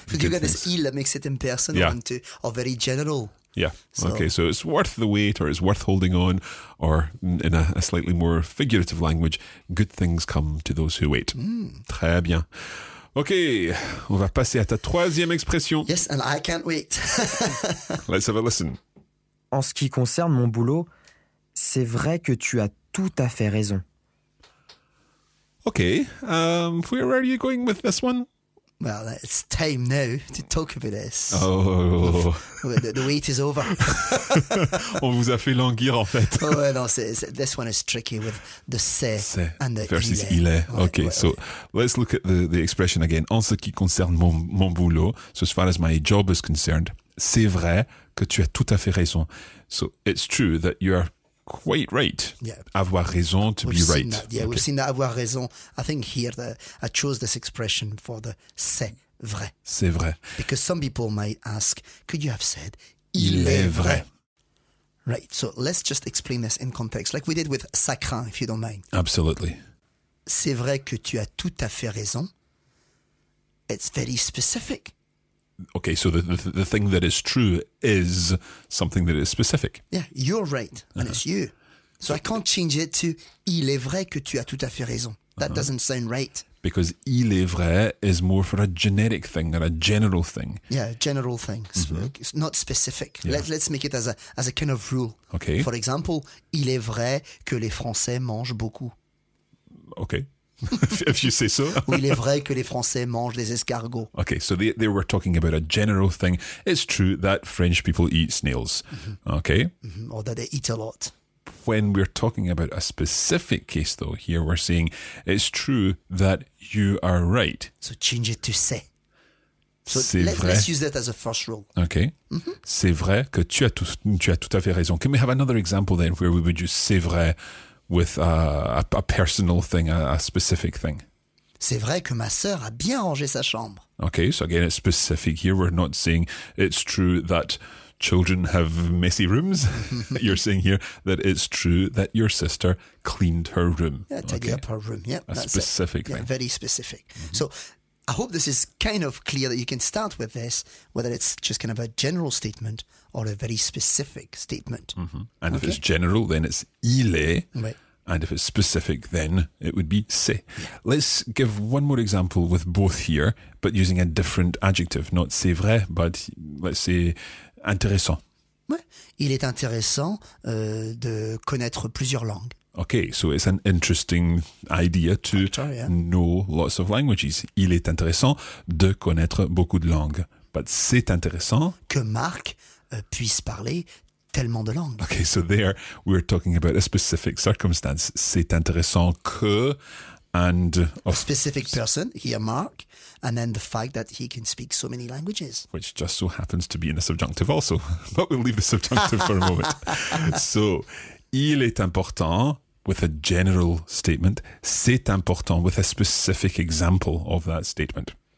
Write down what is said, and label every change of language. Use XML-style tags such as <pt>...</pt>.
<en>Because you got this il that makes it impersonal or very general. Yeah. So. Okay. So it's worth the wait, or it's worth holding on, or in a slightly more figurative language, good things come to those who wait. Mm.</en> <fr>Très bien. Okay. On va passer à ta troisième expression.</fr> <en>Yes, and I can't wait. Let's have a listen. En ce qui concerne mon boulot, c'est vrai que tu as tout à fait raison. Okay. Where are you going with this one? Well, it's time now to talk about this. Oh. The wait is over.</en> <fr>On vous a fait languir, en fait.</fr> <en>Oh, well, non, this one is tricky with the c'est and the versus il est. Okay, so let's look at the expression again.</en> <fr>En ce qui concerne mon boulot,</fr> <en>so as far as my job is concerned,</en> <fr>c'est vrai que tu as tout à fait raison.</fr> <en>So it's true that you are quite right. Yeah.</en> <fr>Avoir raison to</fr> <en>we've be right. That. Yeah, okay. We've seen that avoir raison. I think here that I chose this expression for the c'est vrai.</en> <fr>C'est vrai.</fr> <en>Because some people might ask, could you have said,</en> <fr>il est vrai.</fr> <en>Right, so let's just explain this in context, like we did with ça craint, if you don't mind. Absolutely.</en> <fr>C'est vrai que tu as tout à fait raison.</fr> <en>It's very specific. Okay, so the thing that is true is something that is specific. Yeah, you're right, and it's you. So I can't change it to,</en> <fr>il est vrai que tu as tout à fait raison.</fr> <en>That doesn't sound right. because il est vrai is more for a generic thing than a general thing. Yeah, general thing, mm-hmm. not specific. Yeah. Let's make it as a kind of rule. Okay.</en> <fr>For example, il est vrai que les Français mangent beaucoup.</fr> <en>Okay. If you say so.</en> <fr>Ou il est vrai que les Français mangent des escargots.</fr> <en>Okay, so they were talking about a general thing. It's true that French people eat snails. Mm-hmm. Okay. Mm-hmm. Or that they eat a lot. When we're talking about a specific case, though, here we're saying it's true that you are right. So change it to c'est. So c'est vrai. Let's use that as a first rule. Okay. Mm-hmm.</en> <fr>C'est vrai que tu as tout à fait raison.</fr> <en>Can we have another example then where we would use c'est vrai with a personal thing, a specific thing?</en> <fr>C'est vrai que ma sœur a bien rangé sa chambre.</fr> <en>Okay, so again, it's specific here. We're not saying it's true that children have messy rooms. You're saying here that it's true that your sister cleaned her room. Yeah, tidied up her room, yeah. A specific thing. Yeah, very specific. Mm-hmm. So I hope this is kind of clear that you can start with this, whether it's just kind of a general statement or a very specific statement. Mm-hmm. And okay. If it's general, then it's il est. Right. And if it's specific, then it would be c'est. Let's give one more example with both here, but using a different adjective, not c'est vrai, but let's say intéressant.</en> <fr>Ouais. Il est intéressant de connaître plusieurs langues.</fr> <en>Okay, so it's an interesting idea to know lots of languages.</en> <fr>Il est intéressant de connaître beaucoup de langues. But c'est intéressant que Marc puisse parler tellement de langues.</fr> <en>Okay, so there we're talking about a specific circumstance.</en> <fr>C'est intéressant que and</fr> <en>of a specific person here, Mark, and then the fact that he can speak so many languages, which just so happens to be in the subjunctive also. But we'll leave the subjunctive for a moment. So, il est important with a general statement. C'est important with a specific example of that statement.</en>